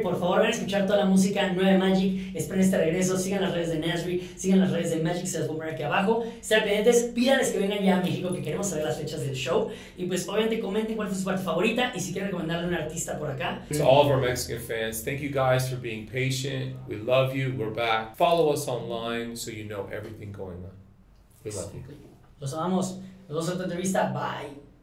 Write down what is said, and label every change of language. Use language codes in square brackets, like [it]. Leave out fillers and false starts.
[es] Por favor, van a escuchar toda la música nueva de Magic. Esperen este regreso. Sigan las redes de Nasri. Sigan las redes de Magic. Se las voy a poner aquí abajo. Estén pendientes. Pídales que vengan ya a México, que queremos saber las fechas del show. Y pues, obviamente, comenten cuál fue su parte favorita. Y si quieren recomendarle a un artista por acá. [en] To all of our Mexican fans, thank you guys for being patient. We love you. We're back. Follow us online so you know everything going on. We love you. [es] Los amamos. Nos vemos en otra entrevista. Bye.